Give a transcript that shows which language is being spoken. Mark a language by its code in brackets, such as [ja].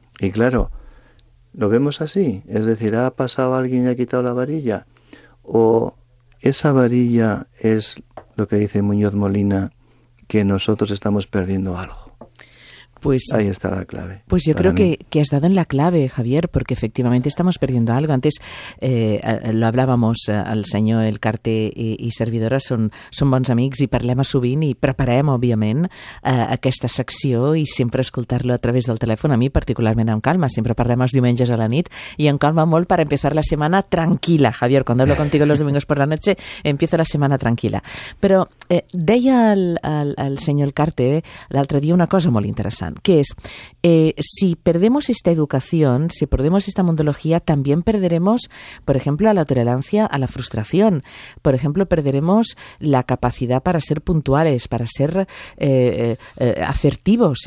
[es] Y claro, lo vemos así, es decir, ¿ha pasado alguien y ha quitado la varilla? ¿O esa varilla es lo que dice Muñoz Molina, que nosotros estamos perdiendo algo? Pues ahí está la clave. Pues yo creo que has dado en la clave, Javier, porque efectivamente estamos perdiendo algo. Antes lo hablábamos [ca] al senyor Elcarte i servidora, són bons amics i parlem sovint i preparem, òbviament, aquesta secció i sempre escoltar-lo a través del telèfon, a mi particularment amb calma. Sempre parlem els diumenges a la nit i amb calma molt per empezar la setmana tranquil·la. [es] Javier, quan hablo contigo los domingos por la noche, empiezo [ca] la setmana tranquil·la. Però deia al senyor Elcarte l'altre dia una cosa molt interessant, [es] que es, si perdemos esta educación, si perdemos esta mundología, también perderemos, por ejemplo, a la tolerancia, a la frustración. Por ejemplo, perderemos la capacidad para ser puntuales, para ser asertivos.